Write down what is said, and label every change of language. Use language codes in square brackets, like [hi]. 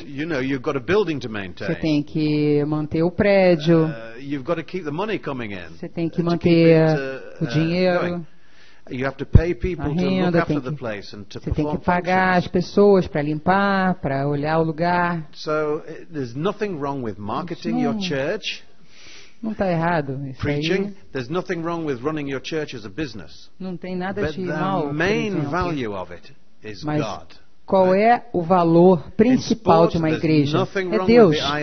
[en] You know, you've got a building to maintain. [pt] Você tem que manter o prédio. [en] You've got to keep the money coming in. [pt] Você tem que manter o dinheiro. [en] You have to pay people to look after the place and to perform. [pt] Você tem que pagar as pessoas para limpar, para olhar o lugar. [en] So there's nothing wrong with marketing your church. [pt] Não está errado isso. [en] Preaching. [pt] Aí. [en] There's nothing wrong with running your church as a business. [pt] Não tem nada de mal. [en] But the main value of it is [pt] Mas [en] God. [pt] Qual é o valor principal de uma igreja? É Deus.